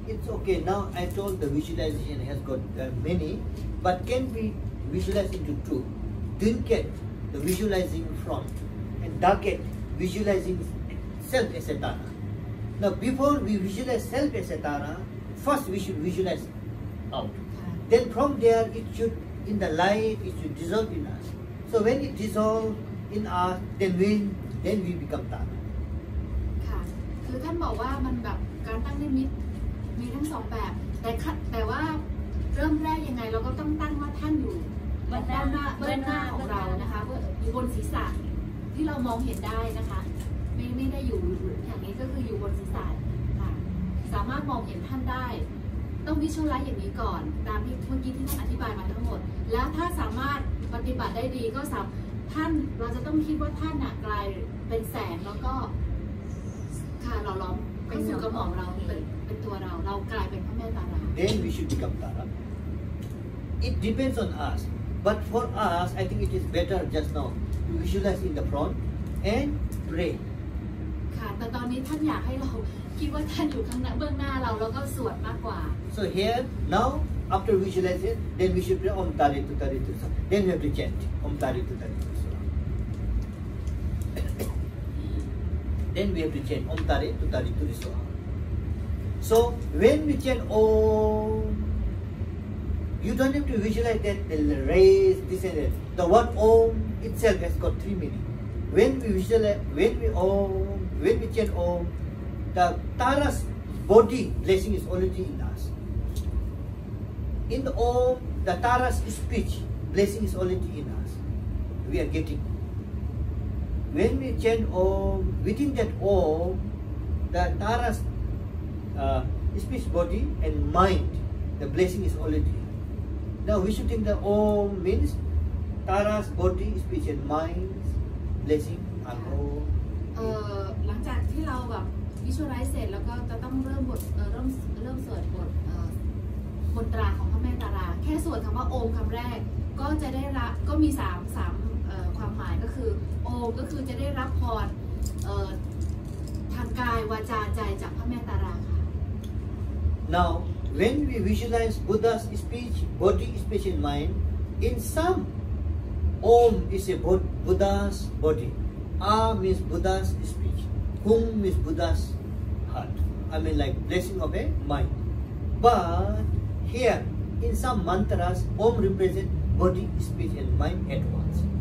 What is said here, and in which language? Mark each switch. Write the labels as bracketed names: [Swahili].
[English] it's okay now I told the visualization has got many but can we visualize into two dunket the visualizing front and darket visualizing self as a Tara now before we visualize self as a TaraFirst, we should visualize out. Then from there, it should, in the light, it should dissolve in us. So when it dissolves in us, then we become Tara. [Thai] ค่ะ คือท่านบอกว่ามันแบบการตั้งนิมิตมีทั้งสองแบบแต่ว่าเริ่มแรกยังไงเราก็ต้องตั้งว่าท่านอยู่บนหน้าเบื้องหน้าของเรานะคะอยู่บนศีรษะที่เรามองเห็นได้นะคะไม่ได้อยู่อย่างนี้ก็คืออยู่บนศีรษะ สามารถมองเห็นท่านได้ต้องวิชวลไลซ์อย่างนี้ก่อนตามที่เมื่อกี้ที่ท่านอธิบายมาทั้งหมดแล้วถ้าสามารถปฏิบัติได้ดีก็สามารถท่านเราจะต้องคิดว่าท่านน่ะกลายเป็นแสงแล้วก็ค่ะเราล้อม ป็นสุขกระหม่อมเราเป็นตัวเราเรากลายเป็นพระแม่ตาราม [English] Then we should become Tara. It depends on us. But for us, I think it is better just now. Visualize in the front and pray. [Thai] ค่ะแต่ตอนนี้ท่านอยากให้เราคิดว่าท่านอยู่ข้างหน้าเบื้องหน้าเราแล้วก็สวดมากกว่า [English] So here now. After visualization, then we should pray Om Taritu Taritu Sa. Then we have to chant Om Taritu Taritu Sa. Then we have to chant Om Taritu Taritu Sa. So when we chant Om, you don't have to visualize that the rays, this and that. The word Om itself has got three meaning. When we visualize, when we chant Om, the Tara's body blessing is already in us. In the Om, the Tara's speech, blessing is already in us. We are getting. When we chant Om, within that Om, the Tara's speech body and mind, the blessing is already in us. Now we should think that Om means Tara's body, speech and mind, blessing are all. [Thai] หลังจากที่เราแบบ visualize เสร็จแล้วก็จะต้องเริ่มบทเริ่มสวดบทมนตราของพระแม่ตาราแค่สวดคำว่าโอมคำแรกก็จะได้รับก็มี3ความหมายก็คือโอมก็คือจะได้รับพรทางกายวาจาใจจากพระแม่ตาราค่ะ [English] Now when we visualize Buddha's speech body speech and mind in some Om is a Buddha's body A means Buddha's speech Hum means Buddha's heart I mean like blessing of a mind butHere, in some mantras, Om represents body, speech, and mind at once.